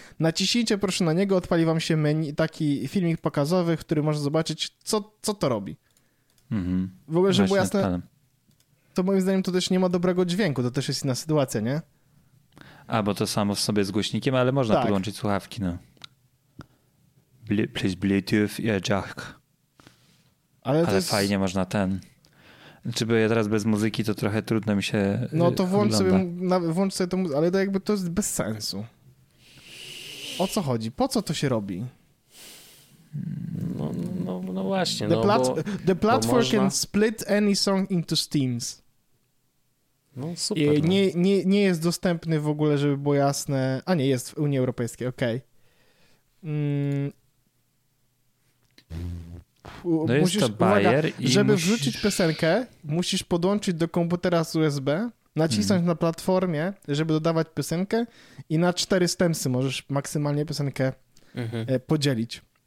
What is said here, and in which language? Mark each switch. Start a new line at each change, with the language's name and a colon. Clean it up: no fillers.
Polish: Naciśnijcie proszę na niego, odpali wam się menu, taki filmik pokazowy, który można zobaczyć, co to robi. Mm-hmm. W ogóle, żeby było jasne, to moim zdaniem to też nie ma dobrego dźwięku, to też jest inna sytuacja, nie? A, bo to samo w sobie z głośnikiem, ale można tak podłączyć słuchawki, no.
English: Please Bluetooth, yeah, jack.
Polish: Ale jest... fajnie można ten... Czy bo ja teraz bez muzyki, to trochę trudno mi się... No to włącz sobie tę muzykę, ale to jakby to jest bez sensu. O co chodzi? Po co to się robi? No właśnie,
English: The platform can split any song into themes.
Polish: No super. No. Nie jest dostępny w ogóle, żeby było jasne... A nie, jest w Unii Europejskiej, okej. No jest musisz, to Bayer uwaga, i żeby musisz... wrzucić piosenkę, musisz podłączyć do komputera z USB, nacisnąć na platformie, żeby dodawać piosenkę i na 4 stemsy możesz maksymalnie piosenkę podzielić.